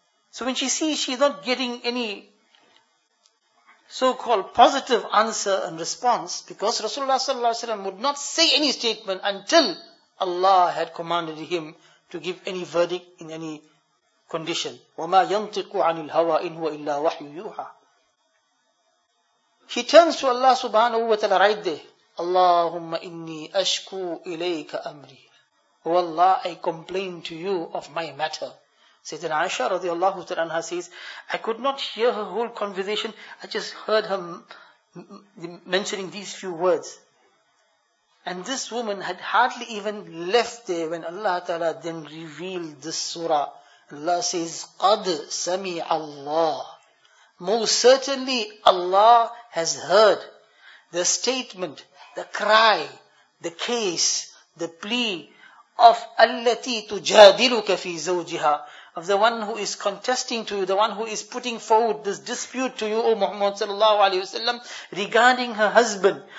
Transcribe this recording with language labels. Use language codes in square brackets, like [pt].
[en] So when she sees she is not getting any so-called positive answer and response, because Rasulullah sallallahu alaihi wasallam would not say any statement until Allah had commanded him to give any verdict in any condition. [ar] وَمَا يَنْطِقُ عَنِ الْهَوَىٰ إِنْ هُوَ إِلَّا وَحْيُ يُوحَىٰ. [en] He turns to Allah subhanahu wa ta'ala right there. [ar] اللهم إني أشكو إليك أمري. [en] Oh Allah, I complain to you of my matter. Sayyidina Aisha radiallahu ta'ala anha says, I could not hear her whole conversation. I just heard her mentioning these few words. And this woman had hardly even left there when Allah ta'ala then revealed this surah. Allah says, [ar] قَدْ سَمِعَ اللَّهُ. [en] Most certainly Allah has heard the statement, the cry, the case, the plea of [ar] allati tujadiluka fi zawjiha, [en] of the one who is contesting to you, the one who is putting forward this dispute to you, O Muhammad sallallahu alaihi wasallam, regarding her husband.